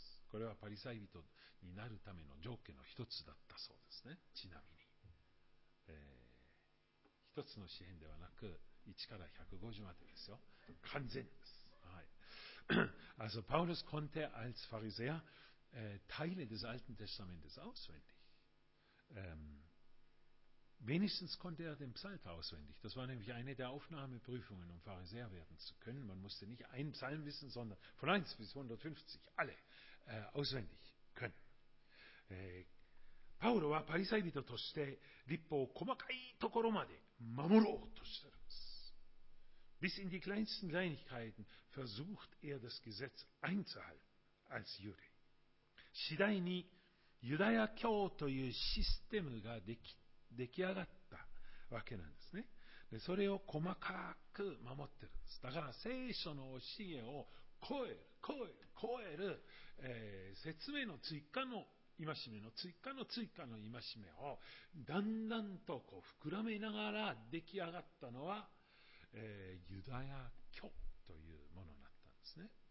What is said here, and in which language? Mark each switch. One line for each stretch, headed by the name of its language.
Japanese: これはパリサイ人になるための条件の一つだったそうですね。ちなみに、一つの詩編ではなく1から150までですよ。完全です。はい。
German: Also Paulus konnte als Pharisäer Teile des Alten Testamentes auswendig. Wenigstens konnte er den Psalter auswendig. Das war nämlich eine der Aufnahmeprüfungen, um Pharisäer werden zu können. Man musste nicht einen Psalm wissen, sondern von 1 bis 150 alle auswendig können. Paulus war Pharisäer, um die
Japanese: Lippo-Komakai-Tokoro-Made
German: zu schützen. Bis in die kleinsten Kleinigkeiten versucht er das Gesetz einzuhalten als Jude.
Japanese: 次第にユダヤ教というシステムが出来上がったわけなんですね。で、それを細かく守ってるんです。だから聖書の教えを超える、説明の追加の戒めの追加の追加の戒めをだんだんとこう膨らめながら出来上がったのはユダヤ教というものになったんですね。